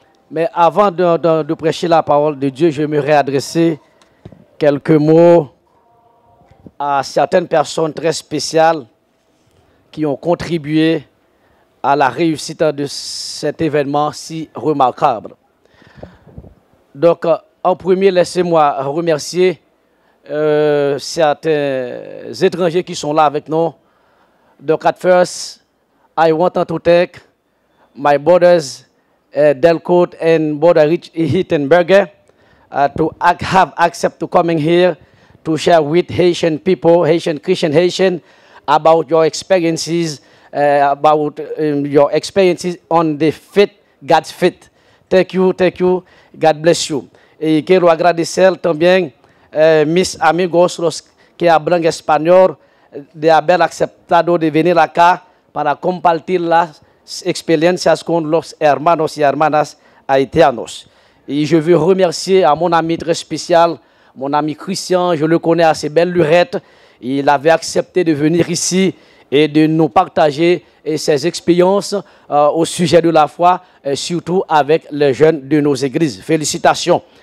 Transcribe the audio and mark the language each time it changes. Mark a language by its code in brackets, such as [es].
[fr] Mais avant de prêcher la parole de Dieu, je voudrais adresser quelques mots à certaines personnes très spéciales qui ont contribué à la réussite de cet événement si remarquable. Donc, en premier, laissez-moi remercier certains étrangers qui sont là avec nous. [en] Donc, at first, I want to thank my brothers, Delcote and brother Rich Hittenberger, have accepted to coming here to share with Haitian people, Haitian Christian, Haitian, about your experiences, your experiences on the faith, God's faith. Thank you, God bless you. [es] Et quiero agradecer también mis amigos los que hablan español, de haber aceptado de venir acá para compartir las experiencias con los hermanos y hermanas haïtianos. [fr] Et je veux remercier à mon ami très spécial, mon ami Christian, je le connais à ses belles lurettes. Il avait accepté de venir ici et de nous partager ses expériences au sujet de la foi, et surtout avec les jeunes de nos églises. Félicitations.